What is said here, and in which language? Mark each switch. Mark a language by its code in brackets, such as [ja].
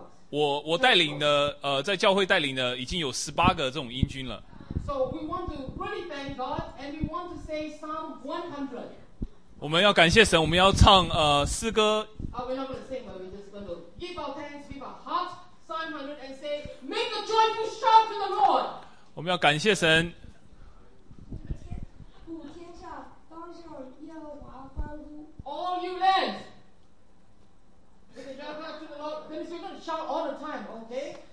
[zh] 我带领的在教会带领的已经有18个这种英军了。 [en] So we want to really thank God and we want to say Psalm 100. [zh] 我们要感谢神，我们要唱诗歌。 [en] We're not going to sing, but we're just going to give our thanks, give our hearts, Psalm 100, and say, "Make a joyful shout to the Lord." [zh] 我们要感谢神。普天下，当向耶和华欢呼。 [en] All you lands, make a joyful shout to the Lord. Then we're going to shout all the time, okay?